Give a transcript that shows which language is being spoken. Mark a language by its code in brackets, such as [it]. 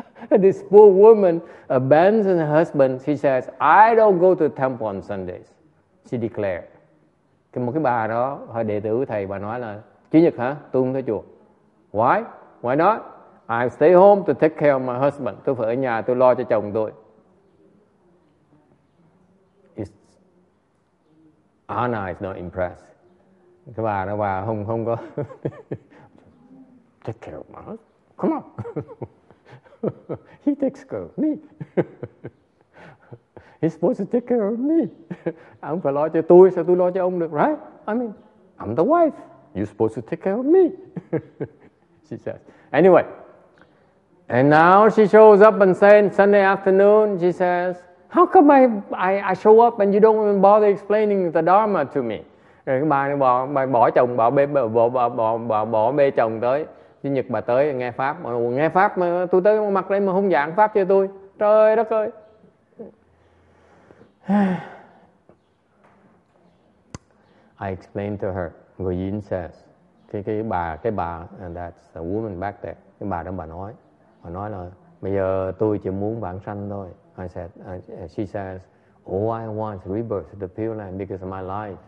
[en] This poor woman abandons her husband. She says, I don't go to the temple on Sundays. She declared. [vi] Cái một cái bà đó, hồi đệ tử thầy, bà nói là, Chủ nhật hả? Tôi không tới chùa. [en] Why? Why not? I stay home to take care of my husband. [vi] Tôi phải ở nhà, tôi lo cho chồng tôi. [en] Anna is not impressed. [vi] Cái bà đó, bà không có... [en] Take care of my husband. Come on. He takes care of me. He's supposed to take care of me. [vi] Ông phải lo cho tôi, sao tôi lo cho ông được, right? [en] I mean, I'm the wife. You're supposed to take care of me. She says. Anyway. And now she shows up and says, Sunday afternoon, she says, how come I show up and you don't even bother explaining the Dharma to me? [vi] Rồi cái bà này bỏ chồng, bỏ bê chồng tới. Chủ nhật bà tới nghe pháp, nghe pháp mà tôi tới mặt đây mà không giảng pháp cho tôi. Trời đất ơi. [en] I explained to her, Ngô Yến says, [vi] cái bà [en] and that's the woman back there. [vi] Cái bà đó bà nói là bây giờ tôi chỉ muốn vãng sanh thôi. [en] I said, she says, all I want is rebirth, the Pure Land, because of my life.